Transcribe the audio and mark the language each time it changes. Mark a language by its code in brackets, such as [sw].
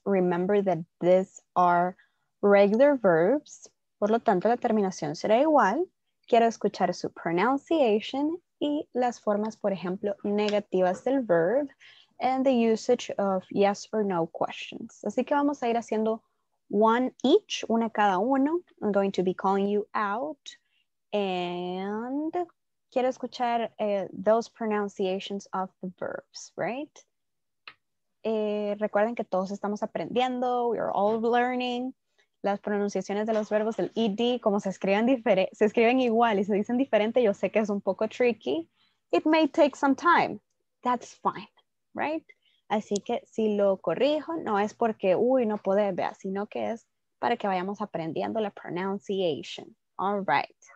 [en] Remember that these are regular verbs. [es] Por lo tanto, la terminación será igual. Quiero escuchar su pronunciation y las formas, por ejemplo, negativas del [en] verb and the usage of yes or no questions. [es] Así que vamos a ir haciendo [en] one each, [es] una cada uno. [en] I'm going to be calling you out and [es] quiero escuchar [en] those pronunciations of the verbs, right? [es] Recuerden que todos estamos aprendiendo. [en] We are all learning. [es] Las pronunciaciones de los verbos, el ed, como se escriben igual y se dicen diferente, yo sé que es un poco tricky. [en] It may take some time. That's fine, right? [es] Así que si lo corrijo, no es porque, uy, no puede, vea, sino que es para que vayamos aprendiendo la pronunciation. [en] All right.